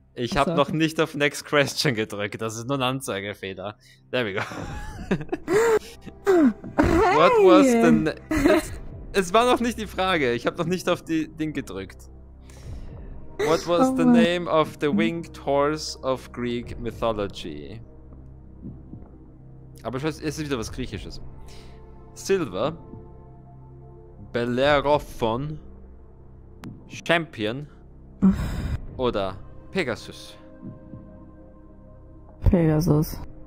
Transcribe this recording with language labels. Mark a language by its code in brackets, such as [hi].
[de] Ich habe noch nicht auf Next Question gedrückt. Das ist nur ein Anzeigefehler. [en] There we go. What was the... [de] Es war noch nicht die Frage. Ich habe noch nicht auf die Ding gedrückt. [en] What was the name of the winged horse of Greek mythology? [de] Aber ich weiß, es ist wieder was Griechisches. Silver, Bellerophon, Champion oder Pegasus? Pegasus.